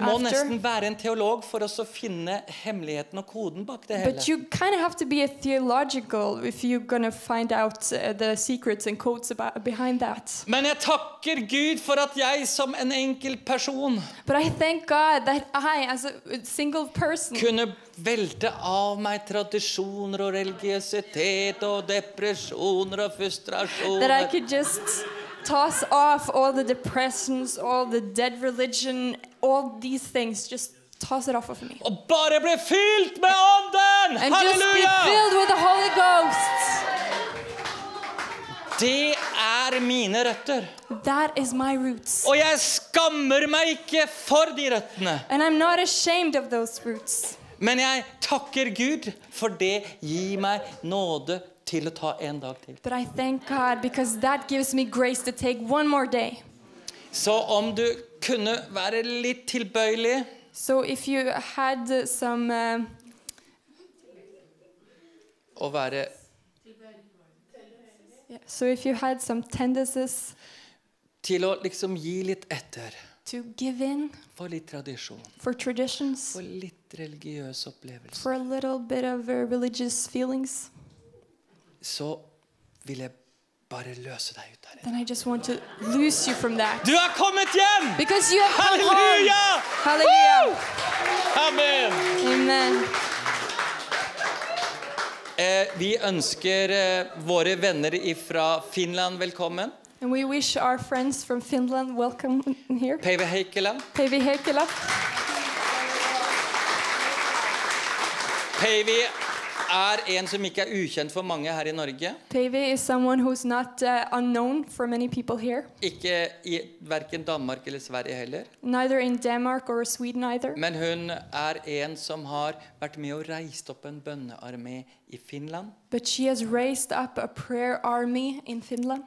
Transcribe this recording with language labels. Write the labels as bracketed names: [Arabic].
[Norwegian] Men du må nesten være en teolog for å finne hemmeligheten og koden bak det hele. [English] But you kind of have to be a theological if you're going to find out the secrets and codes about, behind that. [Norwegian] Men jeg takker Gud for at jeg som en enkel person. [English] But I thank God that I as a single person [Norwegian] kunne velte av meg tradisjoner og religiøsitet og depresjoner og frustrasjoner. [English] That I could just toss off all the depressions, all the dead religion, all these things, just toss it off of me. [Norwegian] Og bare bli fylt med ånden! [English] And Halleluja! Just be filled with the Holy Ghost. [Norwegian] Det mine røtter. [English] That is my roots. [Norwegian] Og jeg skammer meg ikke for de røttene. [English] And I'm not ashamed of those roots. [Norwegian] Men jeg takker Gud for det gir meg nåde til å ta en dag til. [English] But I thank God because that gives me grace to take one more day. [Norwegian] Så om du kunne være litt tilbøyelig. [English] So if you had some [Norwegian] å være [English] so if you had some tendencies [Norwegian] til å liksom gi litt etter. [English] To give in [Norwegian] for litt tradisjon. [English] For traditions. [Norwegian] For litt religiøs opplevelse. [English] For a little bit of religious feelings. [Norwegian] Så vil jeg bare løse deg ut der. [English] Then I just want to loose you from that. [Norwegian] Du har kommet hjem! [English] Because you have Halleluja! Come home. Halleluja! Hallelujah! Amen! Amen. [Norwegian] Vi ønsker våre venner ifra Finland velkommen. [English] And we wish our friends from Finland welcome here. Päivi Heikkilä. Päivi Heikkilä. [Norwegian] Päivi en som ikke ukjent for mange her i Norge. [English] Päivi is someone who's not unknown for many people here. [Norwegian] Ikke i verken Danmark eller Sverige heller. [English] Neither in Denmark or Sweden either. [Norwegian] Men hun en som har vært med og reist opp en bønnearmé i Finland. [English] But she has raised up a prayer army in Finland.